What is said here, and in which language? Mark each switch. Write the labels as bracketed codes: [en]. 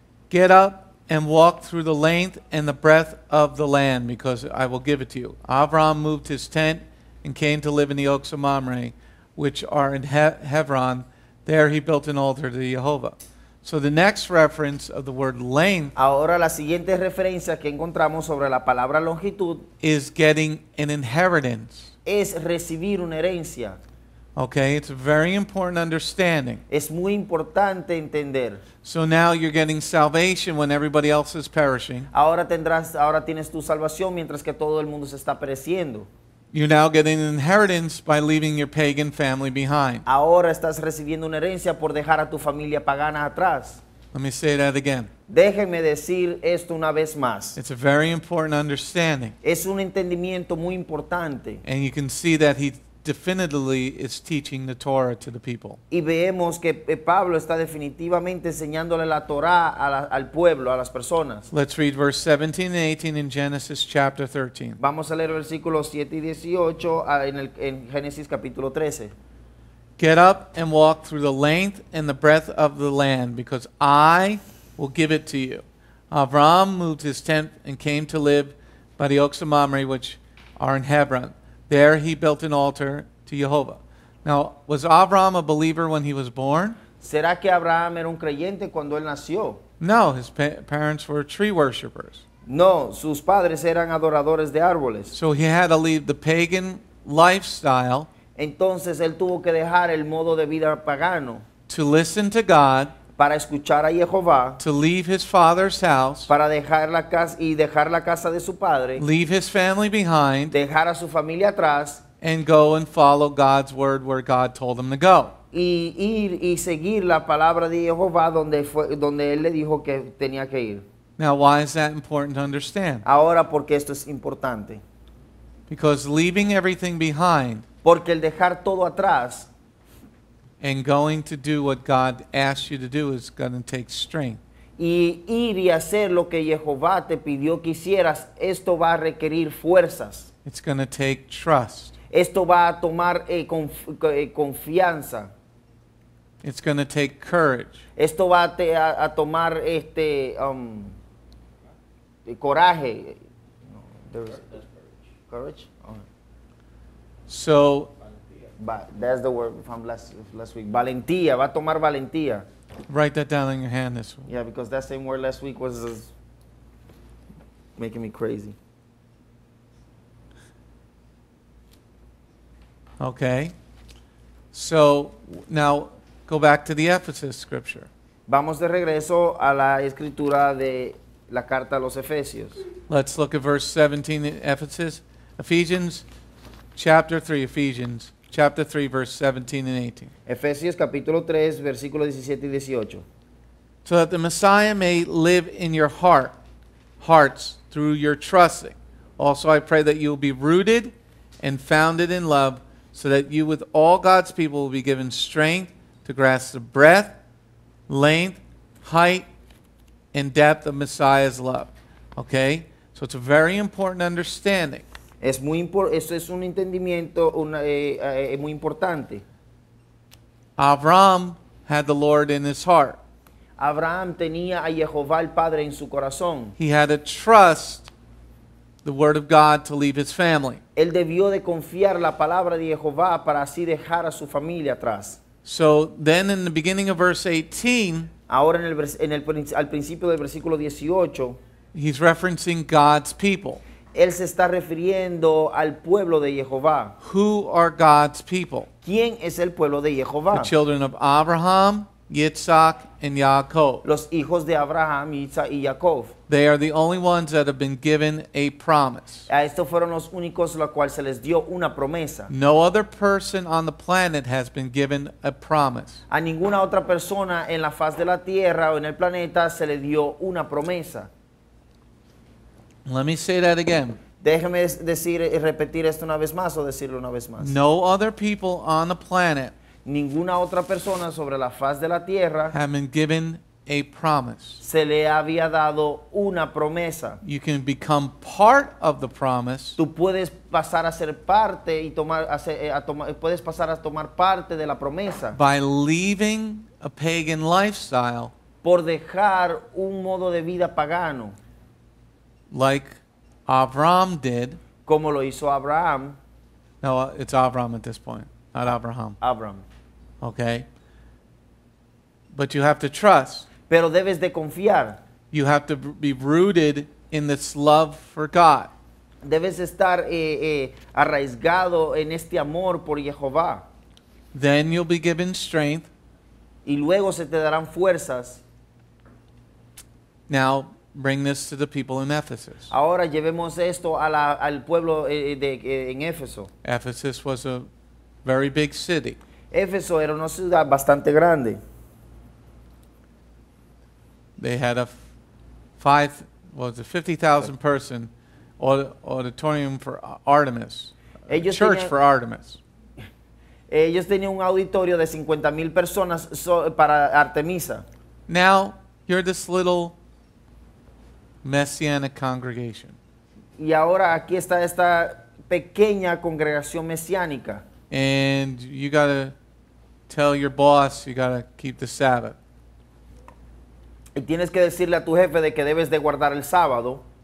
[en] Get up and walk through the length and the breadth of the land, because I will give it to you. Abram moved his tent and came to live in the oaks of Mamre, which are in Hebron. There he built an altar to Jehovah. So the next reference of the word length, [es] ahora la siguiente referencia que encontramos sobre la palabra longitud, [en] is getting an inheritance. [es] Es recibir una herencia. [en] Okay, it's a very important understanding. [es] Es muy importante entender. [en] So now you're getting salvation when everybody else is perishing. [es] Ahora tienes tu salvación mientras que todo el mundo se está pereciendo. [en] You're now getting an inheritance by leaving your pagan family behind. [es] Ahora estás recibiendo una herencia por dejar a tu familia pagana atrás. [en] Let me say that again. [es] Déjenme decir esto una vez más. [en] It's a very important understanding. [es] Es un entendimiento muy importante. [en] And you can see that he definitively is teaching the Torah to the people. [es] Y vemos que Pablo está definitivamente enseñándole la Torah al pueblo, a las personas. [en] Let's read verse 17 and 18 in Genesis chapter 13. [es] Vamos a leer versículos 7 y 18 en Génesis capítulo 13. [en] Get up and walk through the length and the breadth of the land, because I will give it to you. Abraham moved his tent and came to live by the oaks of Mamre, which are in Hebron. There he built an altar to Jehovah. Now, was Abraham a believer when he was born? [es] ¿Será que Abraham era un creyente cuando él nació? [en] No, his parents were tree worshippers. [es] No, sus padres eran adoradores de árboles. [en] So he had to leave the pagan lifestyle. [es] Entonces él tuvo que dejar el modo de vida pagano. [en] To listen to God. [es] Para escuchar a Jehová. [en] To leave his father's house. [es] Para dejar la casa y dejar la casa de su padre. [en] Leave his family behind. [es] Dejar a su familia atrás. [en] And go and follow God's word where God told him to go. [es] Y ir y seguir la palabra de Jehová donde él le dijo que tenía que ir. [en] Now, why is that important to understand? [es] Ahora, ¿por qué esto es importante? [en] Because leaving everything behind. [es] Porque el dejar todo atrás. [en] And going to do what God asks you to do is going to take strength. [es] Y ir y hacer lo que Jehová te pidió que hicieras, esto va a requerir fuerzas. [en] It's going to take trust. [es] Esto va a tomar confianza. [en] It's going to take courage. [es] Esto va a tomar coraje. No, [en] there's courage. So. That's the word from last week. Valentía. [es] Va a tomar valentía. [en] Write that down in your hand this week. Yeah, because that same word last week was making me crazy. Okay. So, now, go back to the Ephesus scripture. [es] Vamos de regreso a la escritura de la carta a los Efesios. [en] Let's look at verse 17 in Ephesus. Ephesians chapter 3, Ephesians. Chapter 3, verse 17 and 18. [es] Efesios capítulo 3, versículo 17 y 18. [en] So that the Messiah may live in your hearts through your trusting. Also, I pray that you will be rooted and founded in love, so that you with all God's people will be given strength to grasp the breadth, length, height, and depth of Messiah's love. Okay? So it's a very important understanding. [es] Es muy eso es un entendimiento muy importante. [en] Abraham had the Lord in his heart. [es] Abraham tenía a Jehová el Padre en su corazón. [en] He had to trust the word of God to leave his family. [es] Él debió de confiar la palabra de Jehová para así dejar a su familia atrás. [en] So then in the beginning of verse 18, [es] ahora al principio del versículo 18, [en] he's referencing God's people. [es] Él se está refiriendo al pueblo de Jehová. [en] Who are God's people? [es] ¿Quién es el pueblo de Jehová? [en] The children of Abraham, Yitzhak, and Jacob. [es] Los hijos de Abraham, Yitzhak y Jacob. [en] They are the only ones that have been given a promise. [es] A estos fueron los únicos a los cuales se les dio una promesa. [en] No other person on the planet has been given a promise. [es] A ninguna otra persona en la faz de la tierra o en el planeta se le dio una promesa. [en] Let me say that again. [es] Déjeme decir y repetir esto una vez más o decirlo una vez más. [en] No other people on the planet. [es] Ninguna otra persona sobre la faz de la tierra. [en] Have been given a promise. [es] Se le había dado una promesa. [en] You can become part of the promise. [es] Tú puedes pasar a ser parte y tomar puedes pasar a tomar parte de la promesa. [en] By leaving a pagan lifestyle. [es] Por dejar un modo de vida pagano. [en] Like Abraham did. [es] Como lo hizo Abraham. [en] No, it's Abraham at this point, not Abraham. Abraham. Okay. But you have to trust. [es] Pero debes de confiar. [en] You have to be rooted in this love for God. [es] Debes estar arraigado en este amor por Jehová. [en] Then you'll be given strength. [es] Y luego se te darán fuerzas. [en] Now bring this to the people in Ephesus. [es] Ahora llevemos esto a la, al pueblo de, en Éfeso. [en] Ephesus was a very big city. [es] Éfeso era una ciudad bastante grande. [en] They had a 50,000 person auditorium for Artemis. [es] Ellos [en] church for Artemis. [es] Ellos tenían un auditorio de 50,000 personas para Artemisa. [en] Now you're this little messianic congregation. [es] Y ahora aquí está esta pequeña congregación mesiánica. [en] And you gotta tell your boss you gotta keep the Sabbath. [es] Y tienes que decirle a tu jefe de que debes de guardar el sábado.